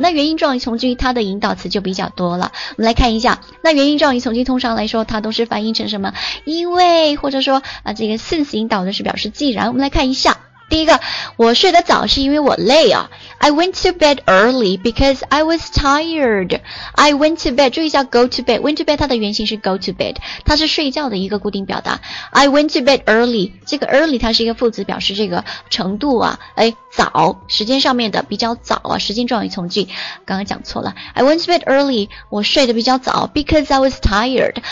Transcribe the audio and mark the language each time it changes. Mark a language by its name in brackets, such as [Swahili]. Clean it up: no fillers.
[Chinese] 那原因状语从句它的引导词就比较多了，我们来看一下。那原因状语从句通常来说它都是翻译成什么因为，或者说这个since 引导的是表示既然。我们来看一下第一个，我睡得早是因为我累啊。 [English] I went to bed early because I was tired. I went to bed, [Chinese] 注意一下 [English] go to bed. Went to bed [Chinese] 它的原型是 [English] go to bed. [Chinese] 它是睡觉的一个固定表达。 [English] I went to bed early. [Chinese] 这个 early 它是一个副词，表示这个程度啊，哎，早，时间上面的比较早啊，时间状语从句。刚刚讲错了。 [English] I went to bed early. [Chinese] 我睡得比较早 [English] because I was tired.